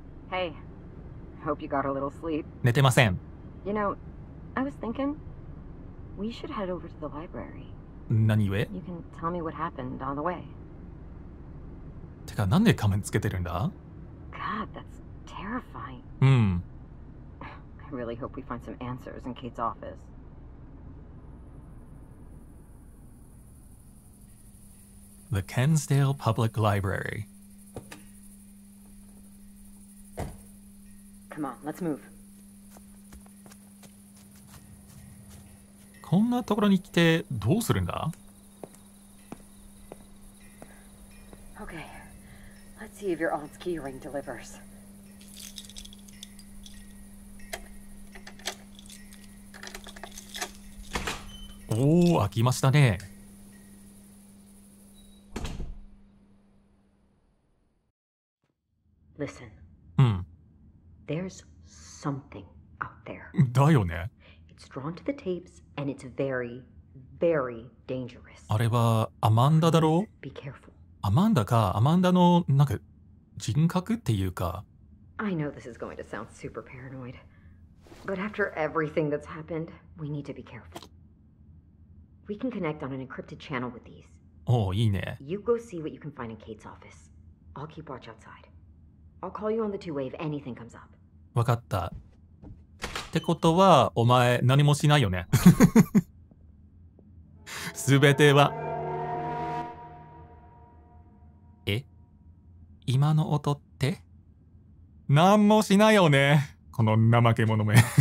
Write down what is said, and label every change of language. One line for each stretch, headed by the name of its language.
English: Hey. Hope you got a little sleep.
Japanese: 寝てません。
English: You know, I was thinking, we should head over to the library.
Japanese: 何故？
English: You can tell me what happened on the way.
Japanese: てか、なんで仮面つけてるんだ？
English: God, that's terrifying.
Japanese: うん。
English: I really hope we find some answers in Kate's office. The Kensdale Public Library. Come on, let's move.
Japanese: こんなところに来てどうするんだ？
English: Okay. Let's see if your aunt's key ring delivers.
Japanese: おお、開きましたね。
English: Listen. There's something out there.
Japanese: だよね。
English: It's drawn to the tapes and it's very, very dangerous.
Japanese: あれはアマンダだろう？
English: Be careful.
Japanese: アマンダか、アマンダのなんか人格っていうか。
English: I know this is going to sound super paranoid, but after everything that's happened, we need to be careful. We can connect on an encrypted channel with these.
Japanese: おお、いいね。
English: You go see what you can find in Kate's office. I'll keep watch outside. I'll call you on the two-way if anything comes up.
Japanese: わかった。ってことは、お前、何もしないよね。すべては。え？今の音って？何もしないよね。この怠け者め。